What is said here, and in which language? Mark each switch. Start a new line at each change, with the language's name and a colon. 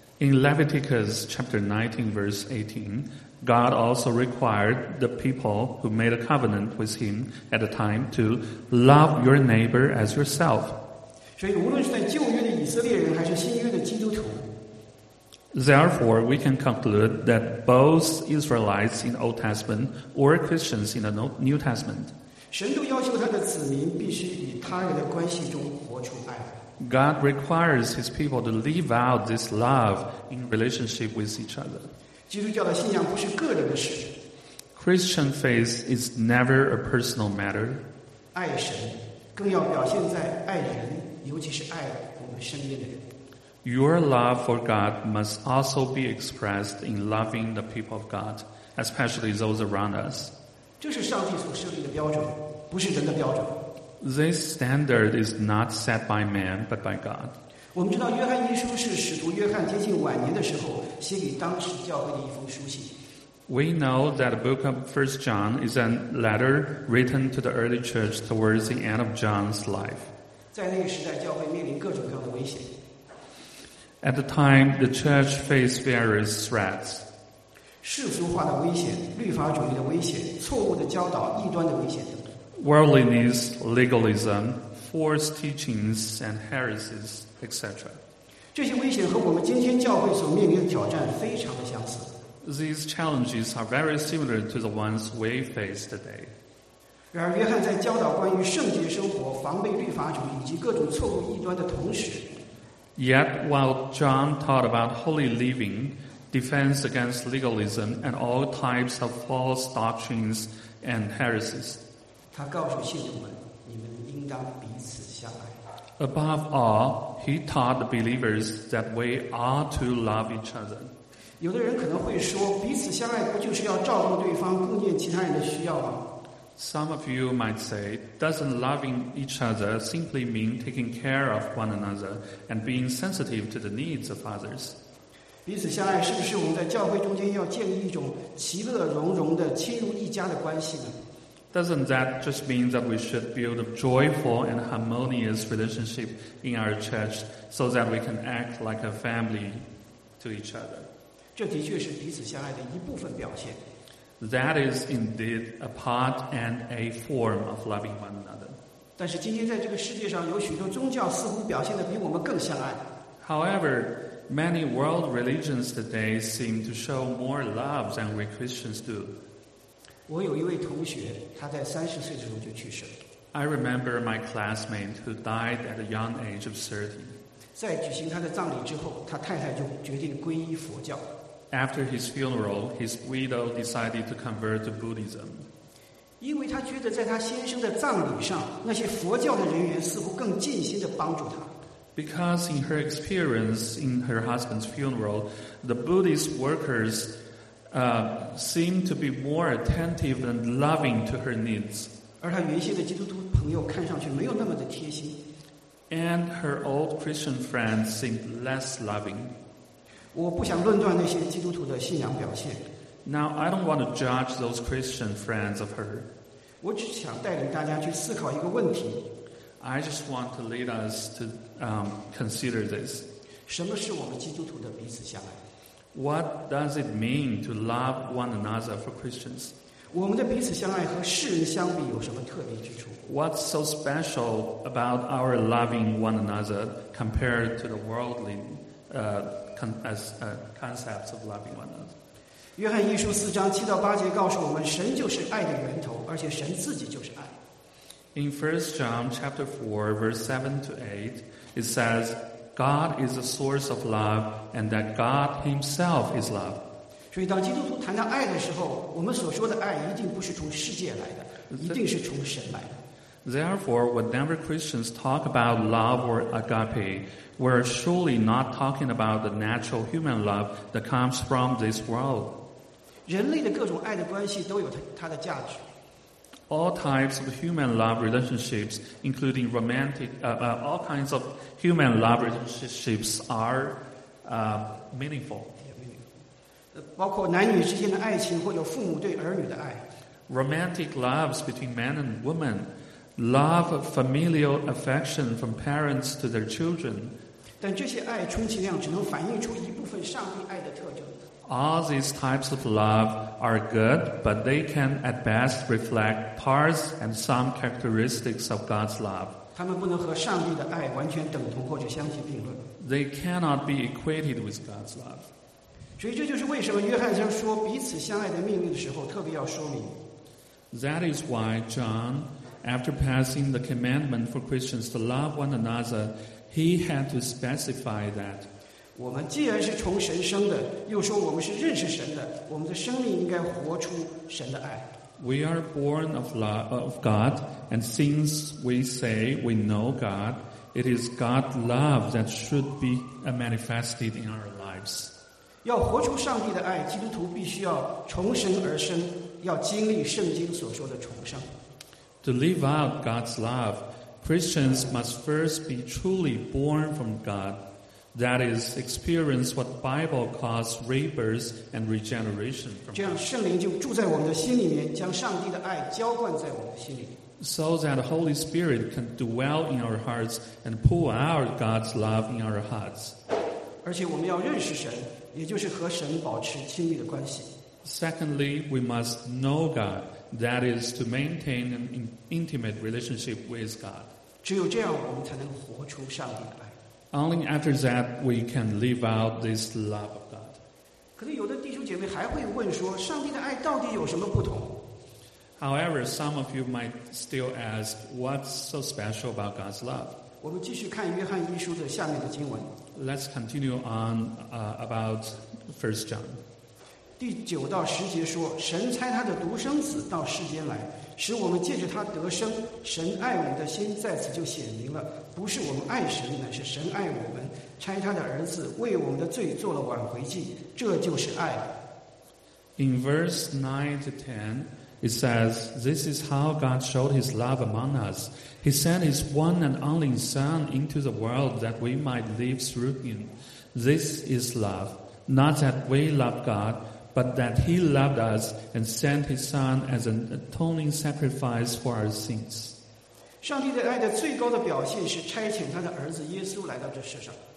English: In Leviticus chapter 19, verse 18, God also required the people who made a covenant with him at the time to love your neighbor as yourself.
Chinese: 所以无论是在旧约的以色列人还是新约的基督徒
English: Therefore, we can conclude that both Israelites in Old Testament or Christians in the New Testament,
Chinese: 神都要求他的子民必须与他人的关系中活出爱。
English: God requires his people to live out this love in relationship with each other.
Chinese: 基督教的信仰不是个人的事。
English: Christian faith is never a personal matter.
Chinese: 爱神更要表现在爱人，尤其是爱我们身边的人。
English: Your love for God must also be expressed in loving the people of God, especially those around us.
Chinese: 这是上帝所设立的标准，不是人的标准。
English: This standard is not set by man, but by God.
Chinese: 我们知道约翰一书是使徒约翰接近晚年的时候写给当时教会的一封书信。
English: We know that the book of 1 John is a letter written to the early church towards the end of John's life.
Chinese: 在那个时代，教会面临各种各样的危险。
English: At the time, the church faced various threats.
Chinese: 世俗化的危险，律法主义的危险，错误的教导，异端的危险。
English: Worldliness, legalism, false teachings, and heresies, etc.
Chinese: 这些危险和我们今天教会所面临的挑战非常的相似。
English: These challenges are very similar to the ones we face today.
Chinese: 然而，约翰在教导关于圣洁生活、防备律法主义以及各种错误异端的同时。
English: Yet while John taught about holy living, defense against legalism and all types of false doctrines and heresies,
Chinese: 他告诉信徒们，你们应当彼此相爱。
English: Above all, he taught the believers that we ought to love each other.
Chinese: 有的人可能会说，彼此相爱不就是要照顾对方，顾念其他人的需要吗？
English: Some of you might say, doesn't loving each other simply mean taking care of one another and being sensitive to the needs of others?
Chinese: 彼此相爱是不是我们在教会中间要建立一种其乐融融的亲如一家的关系呢？
English: Doesn't that just mean that we should build a joyful and harmonious relationship in our church so that we can act like a family to each other?
Chinese: 这的确是彼此相爱的一部分表现。
English: That is indeed a part and a form of loving one another.
Chinese: 但是今天在这个世界上有许多宗教似乎表现得比我们更相爱。
English: However, many world religions today seem to show more love than we Christians do.
Chinese: 我有一位同学，他在30岁的时候就去世了。
English: I remember my classmate who died at a young age of 30.
Chinese: 在举行他的葬礼之后，他太太就决定皈依佛教。
English: After his funeral, his widow decided to convert to Buddhism.
Chinese: 因为她觉得在她先生的葬礼上，那些佛教的人员似乎更尽心地帮助她。
English: Because in her experience in her husband's funeral, the Buddhist workers seemed to be more attentive and loving to her needs.
Chinese: 而她原先的基督徒朋友看上去没有那么的贴心。
English: And her old Christian friends seemed less loving.
Chinese: 我不想论断那些基督徒的信仰表现。
English: Now, I don't want to judge those Christian friends of her.
Chinese: 我只想带领大家去思考一个问题。
English: I just want to lead us to consider this.
Chinese: 什么是我们基督徒的彼此相爱？
English: What does it mean to love one another for Christians?
Chinese: 我们的彼此相爱和世人相比有什么特别之处？
English: What's so special about our loving one another compared to the worldly concepts of loving one another.
Chinese: 约翰一书四章七到八节告诉我们，神就是爱的源头，而且神自己就是爱。
English: In 1 John chapter 4, verse 7 to 8, it says, God is the source of love, and that God himself is love.
Chinese: 所以当基督徒谈到爱的时候，我们所说的爱一定不是从世界来的，一定是从神来的。
English: Therefore, whenever Christians talk about love or agape, we're surely not talking about the natural human love that comes from this world.
Chinese: 人类的各种爱的关系都有它的价值。
English: All types of human love relationships, including romantic, all kinds of human love relationships are meaningful.
Chinese: 包括男女之间的爱情，或有父母对儿女的爱。
English: Romantic loves between men and women. Love, familial affection from parents to their children.
Chinese: 但这些爱充其量只能反映出一部分上帝爱的特征。
English: All these types of love are good, but they can at best reflect parts and some characteristics of God's love.
Chinese: 他们不能和上帝的爱完全等同或者相提并论。
English: They cannot be equated with God's love.
Chinese: 所以这就是为什么约翰在说彼此相爱的命令的时候特别要说明。
English: That is why John, after passing the commandment for Christians to love one another, he had to specify that.
Chinese: 我们既然是从神生的，又说我们是认识神的，我们的生命应该活出神的爱。
English: We are born of love of God, and since we say we know God, it is God's love that should be manifested in our lives.
Chinese: 要活出上帝的爱，基督徒必须要从神而生，要经历圣经所说的重生。
English: To live out God's love, Christians must first be truly born from God. That is, experience what the Bible calls rebirth and regeneration from God.
Chinese: 这样圣灵就住在我们的心里面，将上帝的爱浇灌在我们的心里。
English: So that the Holy Spirit can dwell in our hearts and pour out God's love in our hearts.
Chinese: 而且我们要认识神，也就是和神保持亲密的关系。
English: Secondly, we must know God, that is to maintain an intimate relationship with God.
Chinese: 只有这样我们才能活出上帝的爱。
English: Only after that we can live out this love of God.
Chinese: 可是有的弟兄姐妹还会问说，上帝的爱到底有什么不同？
English: However, some of you might still ask, what's so special about God's love?
Chinese: 我们继续看约翰一书的下面的经文。
English: Let's continue on about 1 John.
Chinese: 第九到十节说，神差他的独生子到世间来，使我们借着他得生。神爱我们的心在此就显明了，不是我们爱神，乃是神爱我们，差他的儿子为我们的罪做了挽回祭，这就是爱。
English: In verse 9-10, it says, "This is how God showed His love among us. He sent His one and only Son into the world that we might live through Him. This is love, not that we love God." But that he loved us and sent his son as an atoning sacrifice for our sins.
Chinese: 上帝的爱的最高的表现是差遣他的儿子耶稣来到这世上。